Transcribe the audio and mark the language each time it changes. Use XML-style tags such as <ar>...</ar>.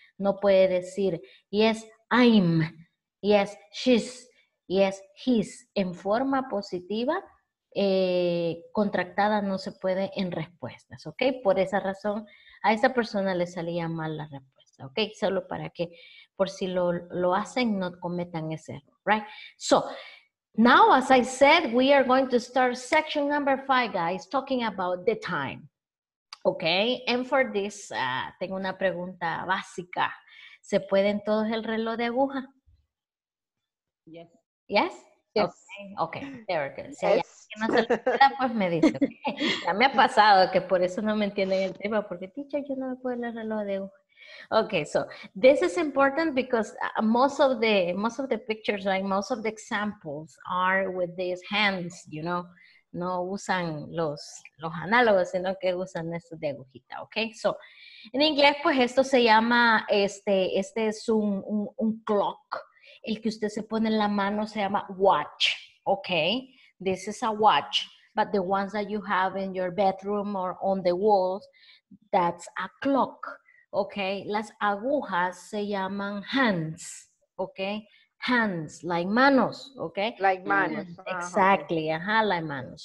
<es>No puede decir,</es> <en>yes, I'm, yes, she's, yes, he's.</en> <es>En forma positiva, contractada no se puede en respuestas, ¿ok? Por esa razón, a esa persona le salía mal la respuesta, ¿ok? Solo para que, por si lo hacen, no cometan ese error.</es> <en>Right. So now, as I said, we are going to start section number 5, guys, talking about the time. Okay. And for this,</en> <es>tengo una pregunta básica. ¿Se pueden todos el reloj de aguja?</es> <en>Yes. Yes. Yes. Okay. There it is. Yes.</en> <es>Si no se le queda, pues me dice. Okay. Ya me ha pasado que por eso no me entienden el tema, porque teacher, yo no me puedo el reloj de aguja.</es> <en>Okay, so this is important because most of the pictures, right, most of the examples are with these hands, you know.</en> <es>No usan los análogos, sino que usan esto de agujita, okay? So, en inglés, pues esto se llama, este es un clock. El que usted se pone en la mano se llama watch, okay?</es> <en>This is a watch, but the ones that you have in your bedroom or on the walls, that's a clock.</en> <es>Okay, las agujas se llaman hands, okay?</es> <en>Hands, like manos, okay? Like manos. Exactly, like manos.</en>